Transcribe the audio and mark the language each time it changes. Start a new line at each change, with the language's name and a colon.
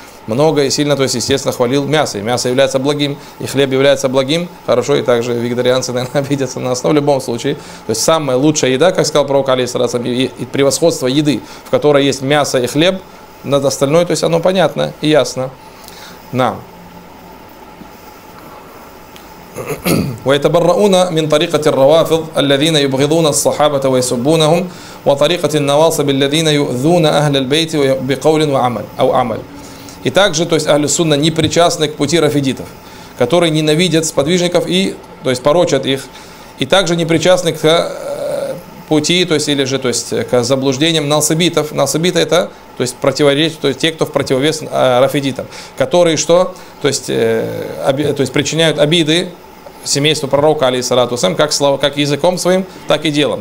Russian: Много и сильно, то есть, естественно, хвалил мясо. И мясо является благим, и хлеб является благим. Хорошо, и также вегетарианцы, наверное, обидятся на нас, но в любом случае. То есть, самая лучшая еда, как сказал пророк, алейхиссалату вассалям, и превосходство еды, в которой есть мясо и хлеб, над остальной, то есть, оно понятно и ясно нам.
Arabic: ويتبرؤون من طريقة الروافض الذين يبغضون الصحابة ويسبونهم وطريقة النواصب الذين يؤذون أهل البيت بقول وعمل أو عمل.
Russian: И также, то есть, Ахли Сунна не причастны к пути рафидитов, которые ненавидят сподвижников и, то есть, порочат их, и также не причастны к пути, то есть, или же, то есть, к заблуждениям налсабитов. Налсабиты — это, то есть, противоречие, то есть, те, кто в противовес рафидитам, которые что, то есть, причиняют обиды семейству пророка, алейхиссалату вассалям, как слово, как языком своим, так и делом.